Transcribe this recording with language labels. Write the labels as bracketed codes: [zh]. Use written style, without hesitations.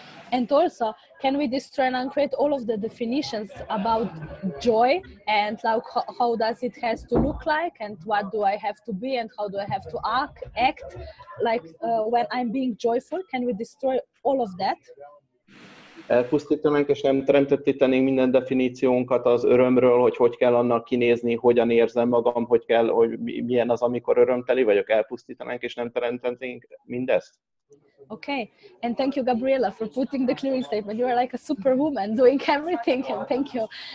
[en] And also, can we destroy and uncreate all of the definitions about joy and, like, how does it has to look like and what do I have to be and how do I have to act, like, when I'm being joyful? Can we destroy all of that? [hu] Elpusztítanánk és nem teremtettítenénk minden definíciónkat az örömről, hogy kell annak kinézni, hogyan érzem magam, hogy kell, hogy milyen az, amikor örömteli vagyok. Elpusztítanánk és nem teremtettünk mindezt. [en] Okay, and thank you, Gabriela, for putting the clearing statement. You are like a superwoman doing everything, and thank you.